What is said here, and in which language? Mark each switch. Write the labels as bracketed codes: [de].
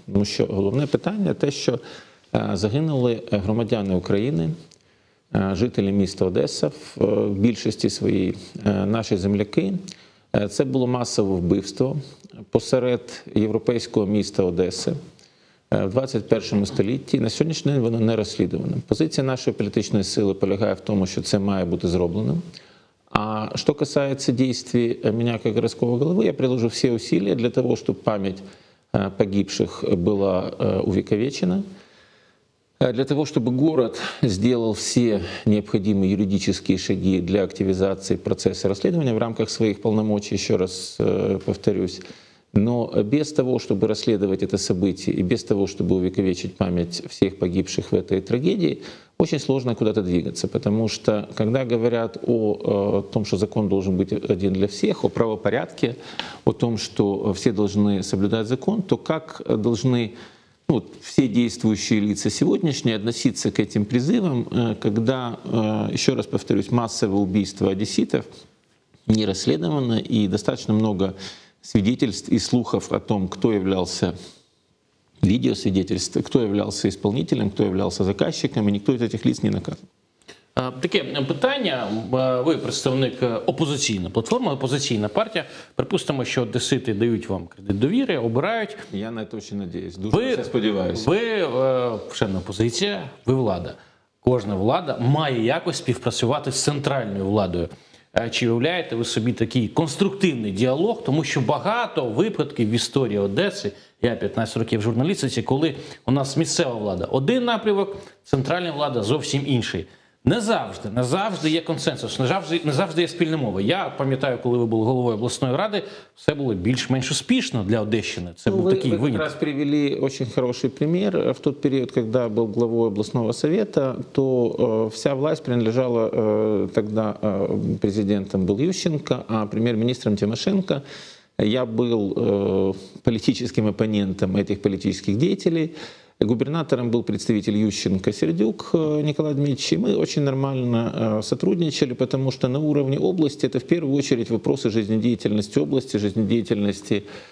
[uk] Тому що головне питання – те, що загинули громадяни України, жителі міста Одеса, в більшості своїй наші земляки. Це було масове вбивство посеред європейського міста Одеси в 21 столітті. На сьогоднішній день воно не розслідувано. Позиція нашої політичної сили полягає в тому, що це має бути зроблено. [ru] А что касается действий меня как городского главы, я приложу все усилия для того, чтобы память погибших была увековечена, для того, чтобы город сделал все необходимые юридические шаги для активизации процесса расследования в рамках своих полномочий, еще раз повторюсь. Но без того, чтобы расследовать это событие, и без того, чтобы увековечить память всех погибших в этой трагедии, очень сложно куда-то двигаться, потому что, когда говорят о том, что закон должен быть один для всех, о правопорядке, о том, что все должны соблюдать закон, то как должны, ну, все действующие лица сегодняшние относиться к этим призывам, когда, еще раз повторюсь, массовое убийство одесситов не расследовано, и достаточно много свидетельств и слухов о том, кто являлся відеосвідетельство, хто являвся исполнителем, хто являвся заказчиком, [uk] і ніхто із цих ліц не наказав. Таке питання. Ви представник опозиційної платформи, опозиційна партія. Припустимо, що одесити дають вам кредит довіри, обирають. Я на це дуже сподіваюся. Дуже все сподіваюся. Ви вчена опозиція, ви влада. Кожна влада має якось співпрацювати з центральною владою. Чи уявляєте ви собі такий конструктивний діалог, тому що багато випадків в історії Одеси, я 15 років в журналістиці, коли у нас місцева влада один напрямок, центральна влада зовсім інший. Не завжди є консенсус, не завжди є спільна мова. Я пам'ятаю, коли ви були головою обласної ради, все було більш-менш успішно для Одещини. Це був такий виняток. Ви якраз привели дуже хороший примір. В той період, коли був главою обласного совєта, то вся власть приналежала тоді президентом був Ющенко, а прем'єр-міністром Тимошенко. [ru] Я был политическим оппонентом этих политических деятелей. Губернатором был представитель Ющенко Сердюк Николай Дмитриевич. И мы очень нормально сотрудничали, потому что на уровне области это в первую очередь вопросы жизнедеятельности области, жизнедеятельности